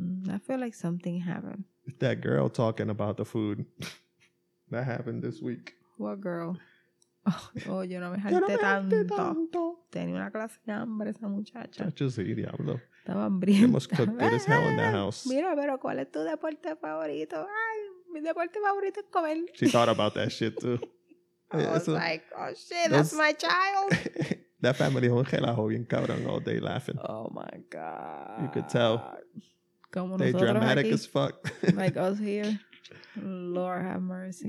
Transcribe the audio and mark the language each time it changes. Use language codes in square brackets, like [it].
[en] I feel like something happened. That girl talking about the food that happened this week. What girl? Oh, [es] yo no me jalté tanto. Tenía una clase de hambre esa muchacha. Chacho, sí, diablo. Estaba hambrienta. [en] Hemos cooked good as hell in that house. [es] Mira, pero ¿cuál es tu deporte favorito? Ay, mi deporte favorito es comer. [en] She thought about that shit, too. I was like, oh, shit, that's my child. That family [es] con relajo bien cabrón [en] all day laughing. Oh, my God. You could tell. [es] Como [en] they dramatic [es] aquí, [en] as fuck. Like us here. Lord have mercy.